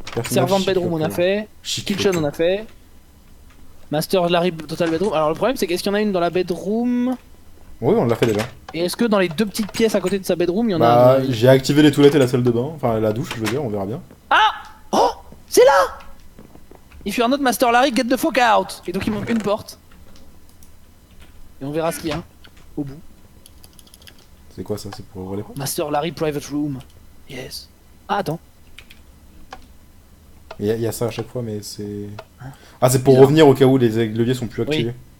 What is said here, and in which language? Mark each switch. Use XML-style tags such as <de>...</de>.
<fr>Servant bedroom, on a fait. Kitchen, on a fait. Master Larry Total Bedroom. Alors le problème c'est qu'est-ce qu'il y en a une dans la bedroom? Oui, on l'a fait déjà. Et est-ce que dans les deux petites pièces à côté de sa bedroom, il y en a une... J'ai activé les toilettes et la salle de bain, enfin la douche, je veux dire, on verra bien. Ah! Oh! C'est là!</fr> <en>If you are not Master Larry, get the fuck out!</en> <fr>Et donc il manque une porte. Et on verra ce qu'il y a au bout. C'est quoi ça? C'est pour ouvrir les portes?</fr> <en>Master Larry Private Room. Yes.</en> <fr>Ah, attends. Il y a ça à chaque fois, mais c'est... Ah, c'est pour revenir au cas où les leviers sont plus activés.</fr>